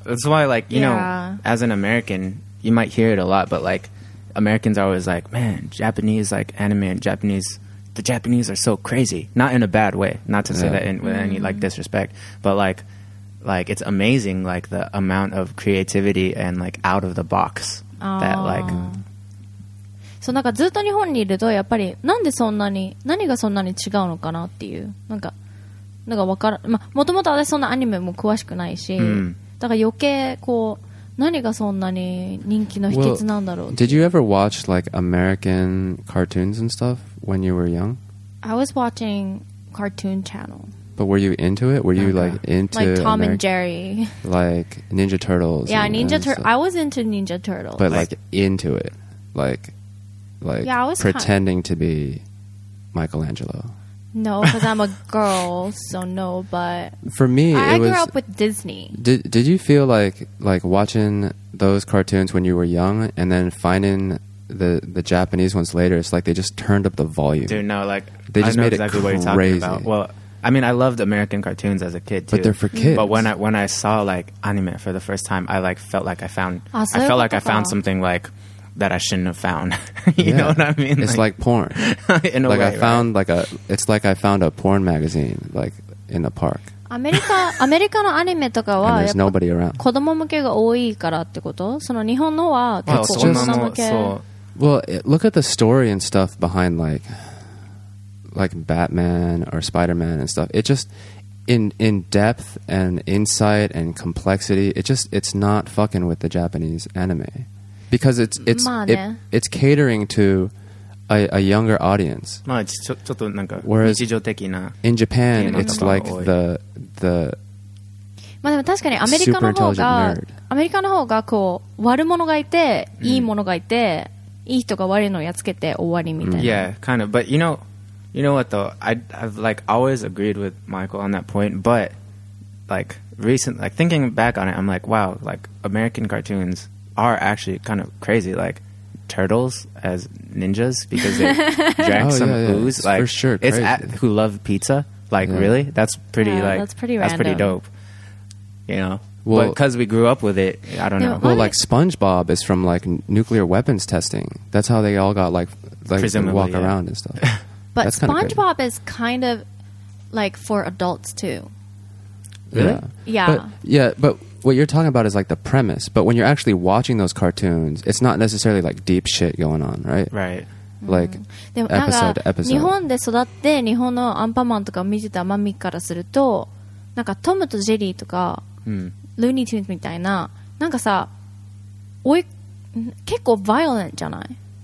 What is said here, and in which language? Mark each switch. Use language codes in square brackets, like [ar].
[en] That's why, like, you know, as an American, you might hear it a lot, but like, Americans are always like, man, Japanese, like, anime and Japanese, the Japanese are so crazy. Not in a bad way. Not to say that with any, like, disrespect. But, like, it's amazing, like, the amount of creativity and, like, out of the box that, like... [ja] そう、なんかずっと日本にいると、やっぱり、なんでそんなに、何がそんなに違うのかなっていう、なんか分からん。まあ、もともと私そんなアニメも詳しくないし、だから余計、こう、何がそんなに人気の秘訣なんだろう。 [en] Well, did you ever watch like American cartoons and stuff when you were young? I was watching Cartoon Channel. But were you into it? Were you like into like Tom and Jerry? Like Ninja Turtles? Yeah, I was into Ninja Turtles. But like into it, like yeah, I was pretending to be Michelangelo. No, because I'm a girl, so no, but... For me, I grew up with Disney. Did you feel like watching those cartoons when you were young and then finding the Japanese ones later, it's like they just turned up the volume. Dude, no, like... They just made exactly it crazy. What you're talking about. Well, I mean, I loved American cartoons as a kid, too. But they're for kids. But when I saw, like, anime for the first time, I, like, felt like I found... I felt like I found something, like... that I shouldn't have found. you know what I mean? It's like porn. in a like way, I found right? like a it's like I found a porn magazine like in the park. [ja] America のアニメとかは [en] there's nobody around. [ja] 子供向けが多いからってこと?その日本のは結構大人向け。 [en] Well, look at the story and stuff behind like Batman or Spider-Man and stuff. It just in depth and insight and complexity, it's not fucking with the Japanese anime. Because it's catering to a younger audience. [ja] まあ、ちょっとなんか日常的な。 [en] In Japan, it's like the [ja] まあでも確かにアメリカの方がこう悪者がいて、いいものがいて、いい人が悪いのをやっつけて終わりみたいな。 [en] Yeah, kind of. But you know what though? I've like always agreed with Michael on that point. But like recently, like thinking back on it, I'm like, wow, like American cartoons. Are actually kind of crazy, like turtles as ninjas because they drank ooze. Like, for sure, crazy. Who love pizza? Like, really? That's pretty. Yeah, like, that's pretty. That's random. Pretty dope. You know, well, but because we grew up with it, I don't know. Well, like SpongeBob is from like nuclear weapons testing. That's how they all got like presumably, walk around and stuff. But SpongeBob is kind of like for adults too. Really? Yeah. But. What you're talking about is like the premise, but when you're actually watching those cartoons, it's not necessarily like deep shit going on, right? Right. Like episode to episode. [ja] 日本で育って日本のアンパンマンとかを見てたマミからすると、なんかトムとジェリーとか、ルーニー・トゥーンズみたいな、なんかさ、結構 violent じゃない?